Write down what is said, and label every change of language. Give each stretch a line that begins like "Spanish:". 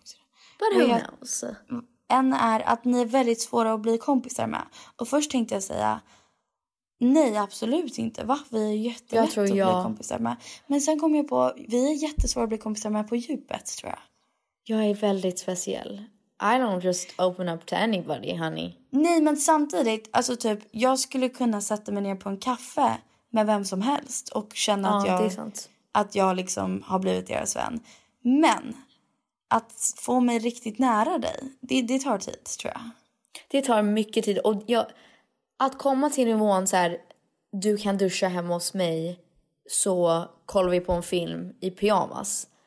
English: inte det. But who knows?
Swedish: En är att ni är väldigt svåra att bli kompisar med. Och först tänkte jag säga... Nej, absolut inte. Va? Vi är jättelätt jag tror, att bli kompisar med. Men sen kom jag på, vi är jättesvåra att bli kompisar med på djupet, tror jag. Jag är väldigt speciell.
English: I don't just open up to anybody, honey.
Swedish: Nej, men samtidigt, alltså typ, jag skulle kunna sätta mig ner på en kaffe med vem som helst. Och känna att jag liksom har blivit deras vän. Men, att få mig riktigt nära dig, det tar tid, tror jag. Det tar mycket tid, och jag... Att komma till nivån så här, du kan duscha hemma hos mig, så kollar vi på en film i pyjamas.